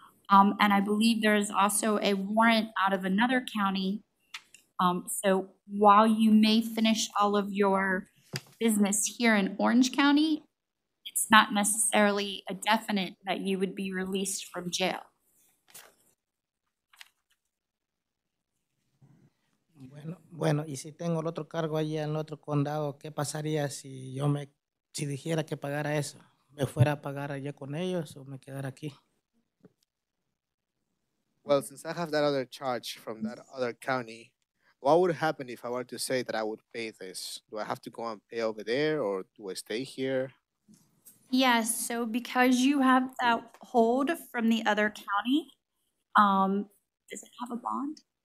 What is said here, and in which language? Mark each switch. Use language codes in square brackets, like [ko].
[en] And I believe there is also a warrant out of another county. So while you may finish all of your business here in Orange County, it's not necessarily a definite that you would be released from jail. [es] Bueno, y si tengo el otro cargo allí en el otro condado, ¿qué pasaría si yo me, si dijera que pagara eso? ¿Me fuera a pagar allá con ellos o me quedara aquí? [en] Well, since I have that other charge from that other county, what would happen if I were to say that I would pay this? Do I have to go and pay over there or do I stay here? Yes, so because you have that hold from the other county, does it have a bond?